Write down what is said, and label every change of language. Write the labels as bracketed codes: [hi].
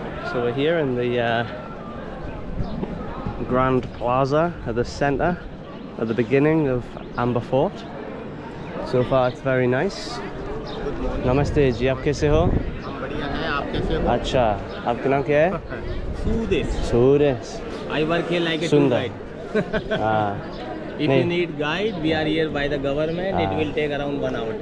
[en] So we're here in the Grand Plaza at the centre, at the beginning of Amber Fort. So far it's very nice. Good morning. [hi] नमस्ते जी, आप कैसे हो? Hum badhiya hai, aap kaise ho? अच्छा, आपका नाम क्या है? Sudesh. Sudesh. [en] I work here like a tour guide. You need guide, we are here by the government. It will take around 1 hour.